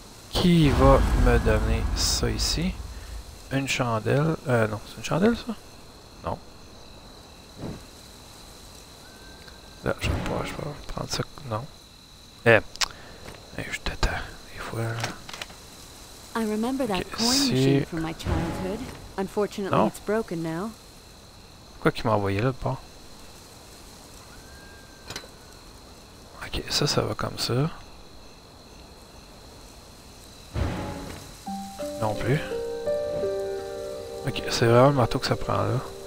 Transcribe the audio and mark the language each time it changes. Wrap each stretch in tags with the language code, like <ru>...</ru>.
<fr>Qui va me donner ça ici? Une chandelle. Non, c'est une chandelle ça? Non. Là, je ne peux pas prendre ça. Non. Je t'attends. Des fois. Là.</fr> <en>I remember that coin machine from my childhood. Unfortunately, it's broken now.</en> <fr>Quoi qu'il m'a envoyé là, pas. Ok, ça, ça va comme ça. Non plus. Ok, c'est vraiment le marteau que ça prend là.</fr>